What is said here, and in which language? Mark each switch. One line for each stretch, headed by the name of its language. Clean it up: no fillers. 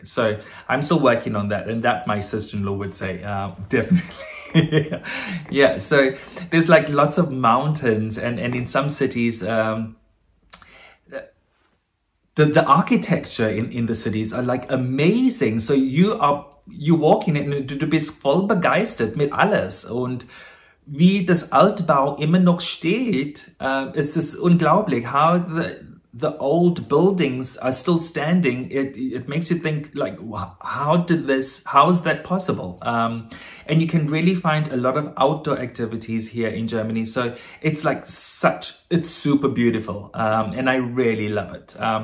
English: So I'm still working on that, and that my sister-in-law would say definitely. Yeah, so there's like lots of mountains and in some cities the architecture in the cities are like amazing. So you're walking and
German: du bist voll begeistert mit alles. Und wie das Altbau immer noch steht, es ist unglaublich.
English: How the old buildings are still standing, it makes you think like, how is that possible? And you can really find a lot of outdoor activities here in Germany. So it's like it's super beautiful. And I really love it.